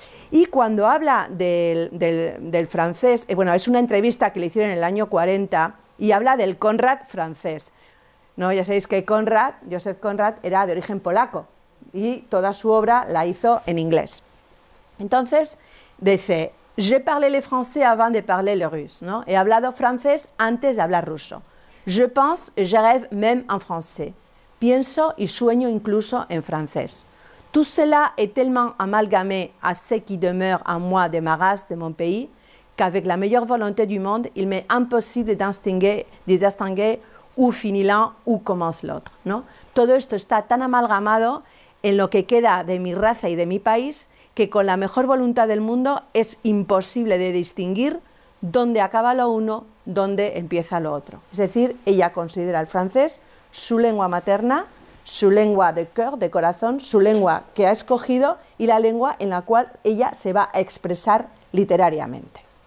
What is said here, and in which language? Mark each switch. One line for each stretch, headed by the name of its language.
Spanish: Y cuando habla del francés, bueno, es una entrevista que le hicieron en el año 40 y habla del Conrad francés, ¿no? Ya sabéis que Joseph Conrad era de origen polaco y toda su obra la hizo en inglés. Entonces dice:
French: "Je parlais le français avant de parler le russe", ¿no?
Spanish: He hablado francés antes de hablar ruso.
French: "Je pense et je rêve même en français".
Spanish: Pienso y sueño incluso en francés.
French: "Tout cela est tellement amalgamé à ce qui demeure en moi de ma race, de mon pays, qu'avec la meilleure volonté du monde, il m'est impossible de distinguer où finit l'un, où commence l'autre", ¿no?
Spanish: Todo esto está tan amalgamado en lo que queda de mi raza y de mi país, que con la mejor voluntad del mundo es imposible de distinguir dónde acaba lo uno, dónde empieza lo otro. Es decir, ella considera el francés su lengua materna, su lengua de cœur, de corazón, su lengua que ha escogido y la lengua en la cual ella se va a expresar literariamente.